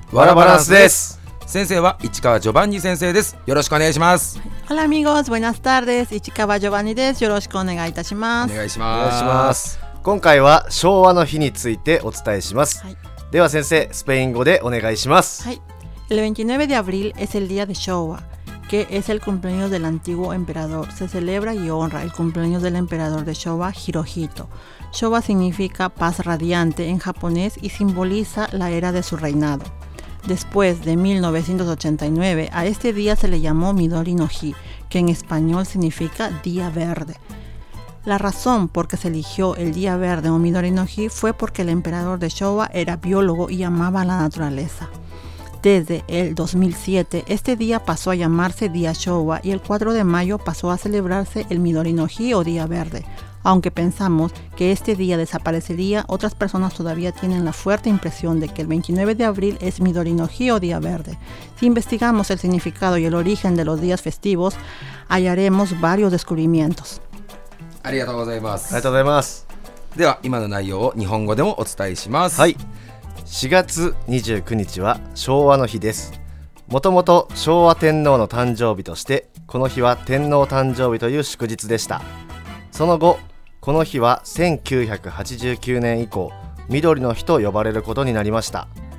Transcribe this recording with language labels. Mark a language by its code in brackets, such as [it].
[ja] ワラバランスです。先生は市川ジョバンニ先生です。よろしくお願いします。 [es] ハラミゴーズ、ブエナスタール [ja] です。市川ジョバンニです。よろしくお願いいたします。お願いします。お願いします。今回は昭和の日についてお伝えします。はい、では先生、スペイン語でお願いします。 [es] はい、El 29 de abril es el día de Showa, que es el cumpleaños del antiguo emperador. Se celebra y honra el cumpleaños del emperador de Showa, Hirohito. Showa significa paz radiante en japonés y simboliza la era de su reinado. Después de 1989, a este día se le llamó Midori no Hi, que en español significa día verde. La razón por que se eligió el día verde o Midori no Hi fue porque el emperador de Showa era biólogo y amaba la naturaleza. Desde el 2007, este día pasó a llamarse Día Showa y el 4 de mayo pasó a celebrarse el Midori no Hi o Día Verde. Aunque pensamos que este día desaparecería, otras personas todavía tienen la fuerte impresión de que el 29 de abril es Midori no Hi o Día Verde. Si investigamos el significado y el origen de los días festivos, hallaremos varios descubrimientos. [ja] ありがとうございます。ありがとうございます。では今の内容を日本語でもお伝えします。はい。4月29日は昭和の日です。もともと昭和天皇の誕生日として、この日は天皇誕生日という祝日でした。その後、この日は1989年以降、緑の日と呼ばれることになりました。